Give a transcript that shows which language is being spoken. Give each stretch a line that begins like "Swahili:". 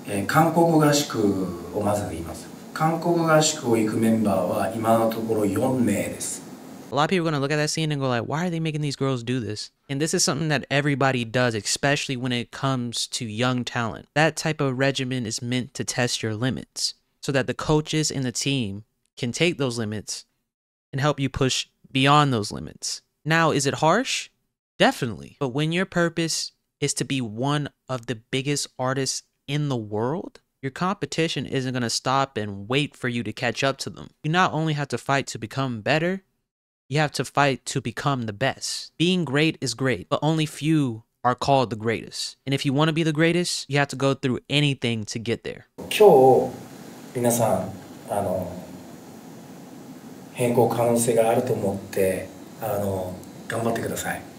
Japanese: 한국어合宿をまず言います。韓国合宿を行くメンバーは今のところ4名です。
English: A lot of people are going to look at that scene and go like, why are they making these girls do this? And this is something that everybody does, especially when it comes to young talent. That type of regimen is meant to test your limits so that the coaches and the team can take those limits and help you push beyond those limits. Now, is it harsh? Definitely. But when your purpose is to be one of the biggest artists in the world, your competition isn't going to stop and wait for you to catch up to them. You not only have to fight to become better,You have to fight to become the best. Being great is great, but only few are called the greatest. And if you want to be the greatest, you have to go through anything to get there.
Japanese: 今日皆さん変更可能性があると思って頑張ってください。